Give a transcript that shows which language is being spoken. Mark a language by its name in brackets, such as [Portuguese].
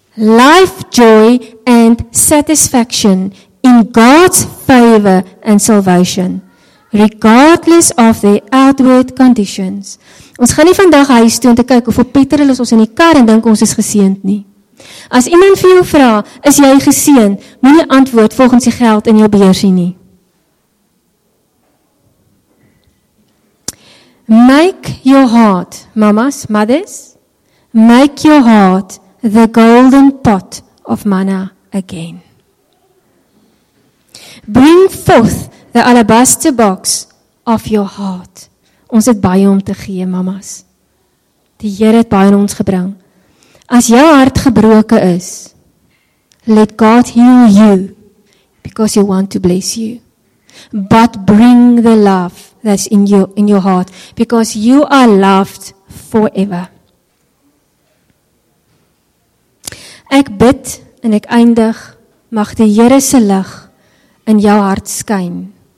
[English] life, joy and satisfaction in God's favor and salvation, regardless of the outward conditions. [Afrikaans] Ons gaan nie vandag huis toe om te kyk hoeveel Pieter hulle is ons in die kar en dink ons is geseend nie. As iemand vir jou vra, is jy geseend, moenie antwoord volgens die geld in jou beursie nie. [English] Make your heart, mamas, mothers, make your heart the golden pot of manna again. Bring forth the alabaster box of your heart. [Afrikaans] Ons het baie om te gee, mamas. Die Here het baie in ons gebring. As jou hart gebroken is, [English] let God heal you because he want to bless you. But bring the love that's in your heart because you are loved forever. [Afrikaans] Ek bid en ek eindig, mag die Here se lig in jou hart skyn.